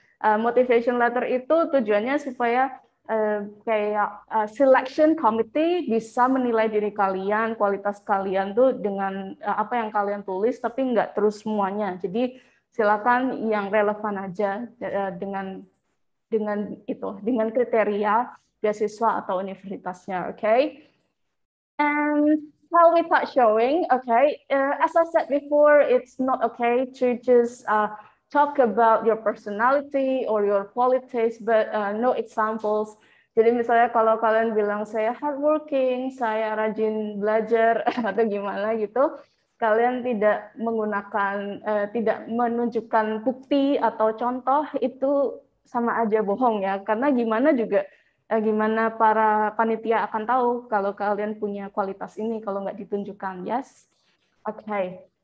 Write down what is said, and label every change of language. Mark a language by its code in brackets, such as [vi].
[id] Motivation letter itu tujuannya supaya kayak selection committee bisa menilai diri kalian, kualitas kalian tuh dengan apa yang kalian tulis, tapi nggak terus semuanya. Jadi silakan yang relevan aja dengan itu, dengan kriteria beasiswa atau universitasnya, okay? [en] And how without showing, okay? As I said before, it's not okay to just talk about your personality or your qualities, but no examples. [id] Jadi misalnya kalau kalian bilang saya hardworking, saya rajin belajar atau gimana gitu, kalian tidak menggunakan, tidak menunjukkan bukti atau contoh, itu sama aja bohong ya. Karena gimana juga, gimana para panitia akan tahu kalau kalian punya kualitas ini kalau nggak ditunjukkan, yes? Okay.